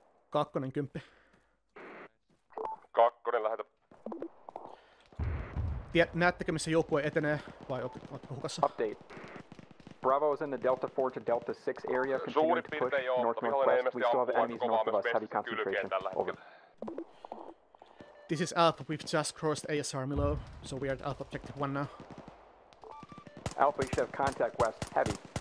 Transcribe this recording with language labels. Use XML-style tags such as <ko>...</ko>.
<fi>kakkonen kymppi. Kakkonen lähetä. Näettekö missä joukkue etenee vai oletko hukassa?</fi> <en>Update. Bravo is in the Delta 4 to Delta 6 area.</en> <fi>Suurin piirtein joo, mutta me haluamme ilmeisesti ampua aika kovaa myös vesit kylkeen tällä hetkellä.</fi> <en>This is Alpha, we've just crossed ASR Milo, so we are at Alpha Objective 1 now. Alpha, you should have contact west, heavy.</en>